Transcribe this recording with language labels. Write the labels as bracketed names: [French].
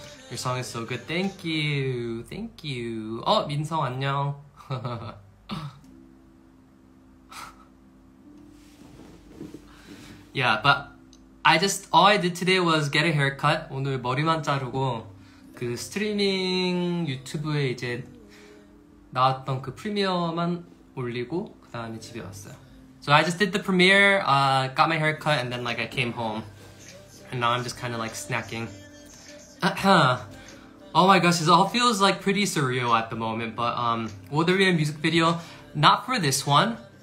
[English] Your song is so good. Thank you. Thank you. Oh, 민성 안녕. Yeah, but all I did today was get a haircut. [Korean] 오늘 머리만 자르고 그 스트리밍 유튜브에 이제 나왔던 그 프리미어만 올리고 그 다음에 집에 왔어요. [English] So I just did the premiere, got my haircut, and then like I came home, and now I'm just kind of like snacking. Oh my gosh, it all feels like pretty surreal at the moment. But will there be a music video? Not for this one.